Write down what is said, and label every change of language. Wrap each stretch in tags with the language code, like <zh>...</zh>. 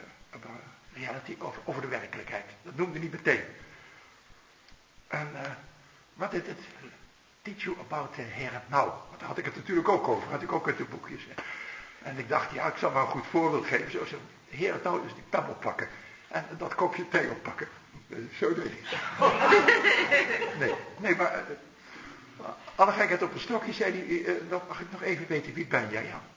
<en>About reality,</en> <nl>over de werkelijkheid. Dat noemde hij meteen. En wat</nl> <en>did it teach you about the here and now?</en> <nl>Want daar had ik het natuurlijk ook over, had ik ook uit de boekjes. En ik dacht, ja, ik zal maar een goed voorbeeld geven. Zo,</nl> <en>here and now,</en> <nl>dus die pen oppakken. En dat kopje thee oppakken. Zo deed hij. Nee, maar alle gekheid op een stokje, zei hij, mag ik nog even weten, wie ben jij, Jan?</nl>